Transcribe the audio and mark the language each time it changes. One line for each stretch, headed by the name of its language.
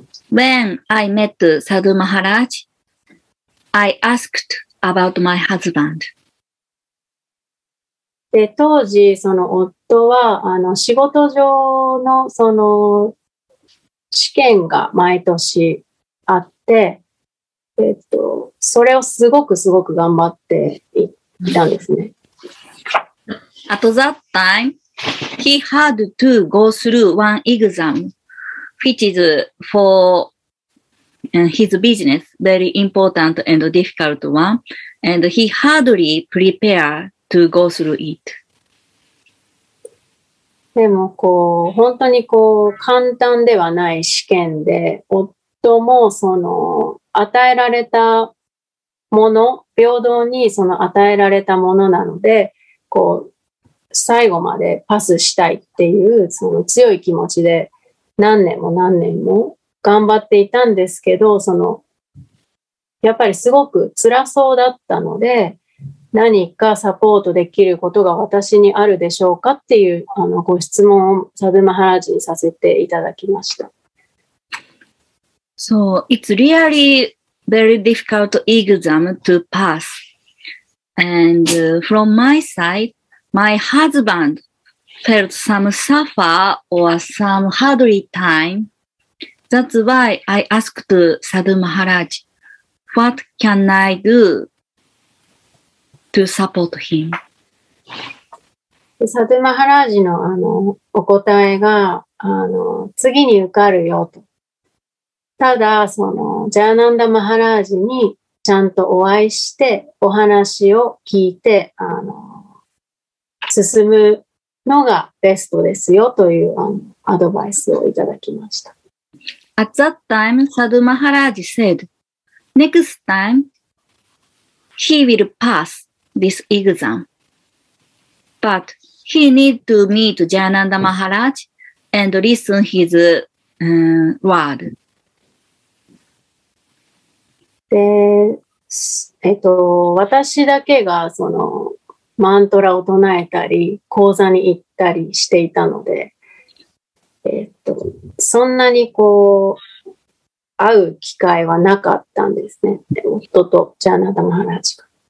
English: When I met Sadhu Maharaj,I asked about my husband.
Japanese: で、当時、その夫は、仕事上の、その、試験が毎年あって、それをすごく頑張っていたんですね。
English: At that time, he had to go through one exam, which is for,And his business, very important and difficult one, and he hardly prepared to go through it.
Japanese: でもこう本当にこう簡単ではない試験で、夫もその与えられたもの、平等にその与えられたものなので、こう最後までパスしたいっていうその強い気持ちで何年も何年も頑張っていたんですけど、そのやっぱりすごく辛そうだったので、何かサポートできることが私にあるでしょうかっていうあのご質問をサブマハラジにさせていただきました。
English: So, it's really very difficult exam to pass. And from my side, my husband felt some suffer or some hardly time. That's why I asked Sadhu Maharaj, what can I do to support him?
Japanese: Sadhu Maharaj のあのお答えが、あの次に受かるよと。ただそのジャーナンダ・マハラージにちゃんとお会いしてお話を聞いてあの進むのがベストですよというあのアドバイスをいただきました。
English: At that time Sadhu Maharaj said next time he will pass this exam but he need to meet ジャーナンダ・マハラージ and listen his、word
Japanese: で、私だけがそのマントラを唱えたり講座に行ったりしていたので、そんなにこう会う機会はなかったんですね、夫とジャーナダ・マハラージが。